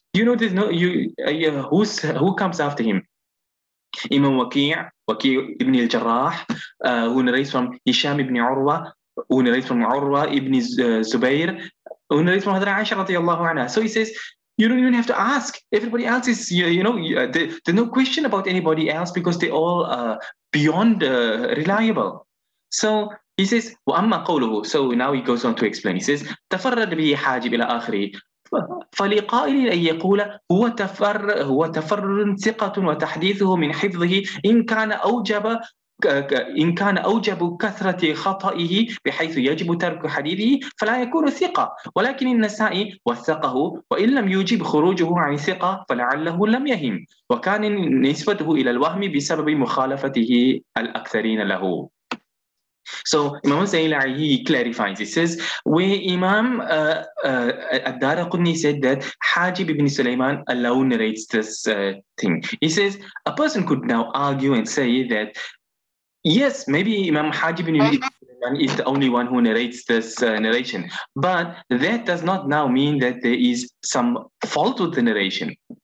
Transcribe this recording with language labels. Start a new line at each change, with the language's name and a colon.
English: You know, there's no, who comes after him? Imam Waqi' ibn al-Jarrah, who narrates from Hisham ibn Urwa, who narrates from Urwa ibn Zubair, who narrates from Hadra Aisha radiallahu anha. So he says, you don't even have to ask. Everybody else is, there's no question about anybody else because they're all beyond reliable. So he says,
Arabic: وَأَمَّا قَوْلُهُ.
English: So now he goes on to explain. He says,
Arabic: تَفَرَّدْ بِهِ حَاجِبْ إِلَىٰ آخِرِهِ فلقائل أن يقول هو تفر هو تفر ثقة وتحديثه من حفظه إن كان أوجب إن كان أوجب كثرة خطئه بحيث يجب ترك حديثه فلا يكون ثقة ولكن النسائي وثقه وإن لم يوجب خروجه عن ثقة فلعله لم يهم وكان نسبته إلى الوهم بسبب مخالفته الأكثرين له.
English: So Imam Zaylai, he clarifies, he says, where Imam Ad-Darqutni said that Hajib ibn Sulaiman alone narrates this thing. He says, a person could now argue and say that, yes, maybe Imam Hajib ibn Sulaiman is the only one who narrates this narration, but that does not now mean that there is some fault with the narration.